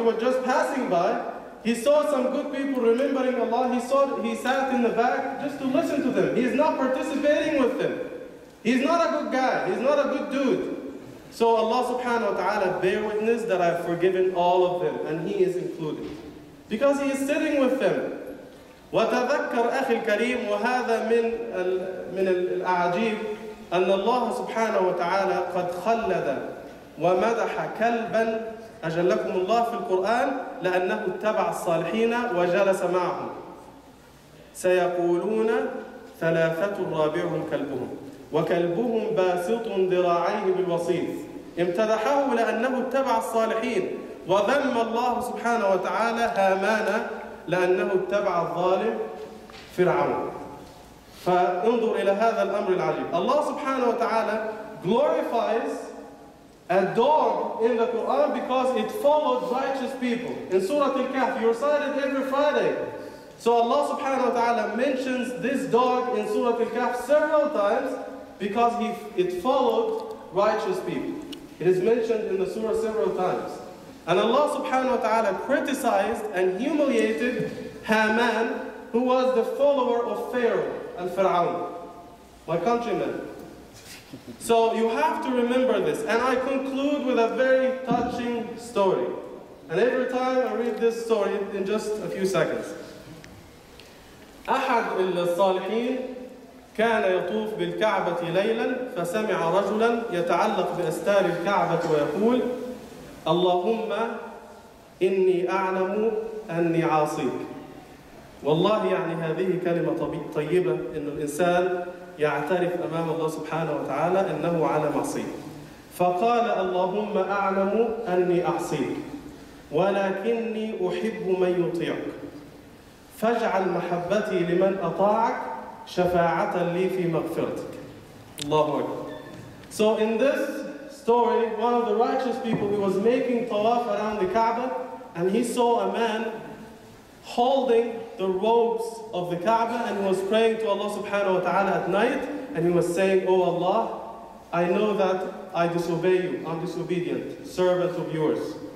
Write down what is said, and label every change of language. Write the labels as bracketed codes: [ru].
[en] He was just passing by. He saw some good people remembering Allah. He sat in the back just to listen to them. He is not participating with them. He's not a good guy. He's not a good dude. So Allah subhanahu wa ta'ala, bear witness that I've forgiven all of them, and he is included. Because he is sitting with them. [ar] وَتَذَكَّرْ أَخِي الْكَرِيمُ وَهَذَا مِنَ الْأَعْجِيبِ أَنَّ اللَّهُ سُبْحَانَهُ وَتَعَالَى قَدْ خَلَّدَ وَمَدَحَ كَلْبًا أجلكم الله في القرآن لأنه اتبع الصالحين وجلس معهم سيقولون ثلاثة رابعهم كلبهم وكلبهم باسط ذراعيه بالوصيف امتدحه لأنه اتبع الصالحين وذم الله سبحانه وتعالى هامان لأنه اتبع الظالم فرعون فانظر إلى هذا الأمر العجيب الله سبحانه وتعالى [en] glorifies a dog in the Quran because it followed righteous people. In Surah Al-Kahf, you recite it every Friday. So Allah subhanahu wa ta'ala mentions this dog in Surah Al-Kahf several times because it followed righteous people. It is mentioned in the surah several times. And Allah subhanahu wa ta'ala criticized and humiliated Haman, who was the follower of Pharaoh and Fir'aun, my countrymen. So you have to remember this. And I conclude with a very touching story. And every time I read this story, in just a few seconds. [ar] أحد الصالحين كان يطوف بالكعبة ليلا فسمع رجلا يتعلق بأستار الكعبة ويقول اللهم إني أعلم أني عاصيك. والله يعني هذه كلمة طيبة إن الإنسان يعترف أمام الله سبحانه وتعالى أنه على معصيه. فقال اللهم أعلم أني أعصيك ولكني أحب من يطيعك فاجعل محبتي لمن أطاعك شفاعة لي في مغفرتك. الله أكبر. [en] So in this story, one of the righteous people, he was making tawaf around the Kaaba and he saw a man holding the robes of the Kaaba and was praying to Allah subhanahu wa ta'ala at night and he was saying, oh Allah, I know that I disobey you, I'm disobedient, servant of yours.